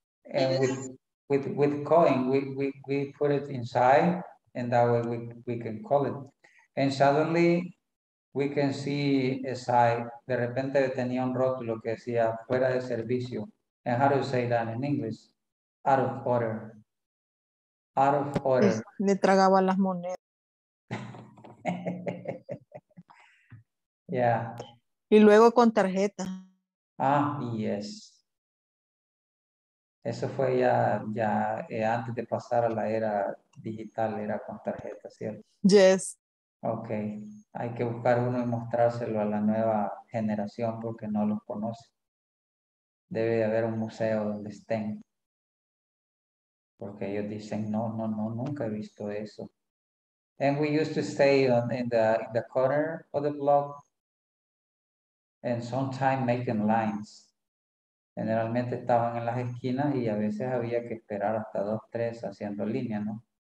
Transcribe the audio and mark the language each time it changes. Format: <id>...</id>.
<en>And with coin, we put it inside, and that way we can call it. And suddenly we can see a sign.</en> <es>De repente tenía un rótulo que decía fuera de servicio.</es> <en>And how do you say that in English? Out of order. Out of order.</en> <es>Me tragaba las monedas.</es> <en>Yeah.</en> <es>Y luego con tarjeta.</es> <en>Ah, yes.</en> <es>Eso fue ya antes de pasar a la era digital, era con tarjeta, ¿cierto?</es> <en>Yes. Okay.</en> <es>Hay que buscar uno y mostrárselo a la nueva generación porque no los conoce. Debe de haber un museo donde estén. Porque ellos dicen, no, nunca he visto eso.</es> <en>And we used to stay in the corner of the block and sometimes making lines.</en> <es>Generalmente estaban en las esquinas y a veces había que esperar hasta 2, 3 haciendo línea, ¿no?</es>